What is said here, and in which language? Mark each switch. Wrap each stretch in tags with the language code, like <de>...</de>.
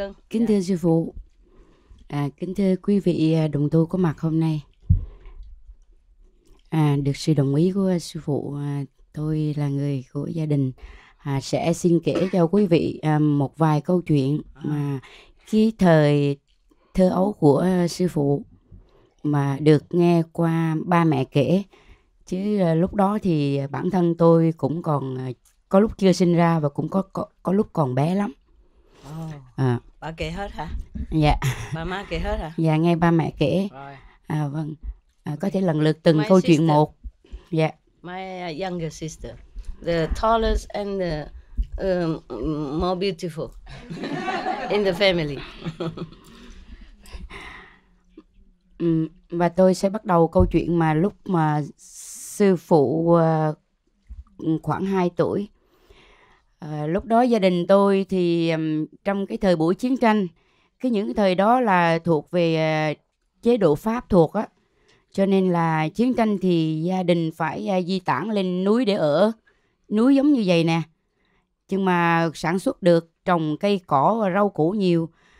<vi>Kính thưa sư phụ, kính thưa quý vị đồng tu có mặt hôm nay, được sự đồng ý của sư phụ, tôi là người của gia đình, sẽ xin kể cho quý vị một vài câu chuyện mà khi thời thơ ấu của sư phụ mà được nghe qua ba mẹ kể, chứ lúc đó thì bản thân tôi cũng còn có lúc chưa sinh ra và cũng có lúc còn bé lắm. Bà kể hết hả? Dạ. Ba má kể hết hả? Dạ, nghe ba mẹ kể.</vi> <en>Right.</en> <vi>Vâng. Có thể lần lượt từng câu chuyện một. Dạ.</vi> <en>My younger sister, the tallest and the more beautiful in the family.</en> <vi>Và tôi sẽ bắt đầu câu chuyện mà lúc mà sư phụ khoảng 2 tuổi. Lúc đó gia đình tôi thì trong cái thời buổi chiến tranh, cái những thời đó là thuộc về chế độ Pháp thuộc á, cho nên là chiến tranh thì gia đình phải di tản lên núi để ở, núi giống như vậy nè, nhưng mà sản xuất được, trồng cây cỏ và rau củ nhiều.</vi>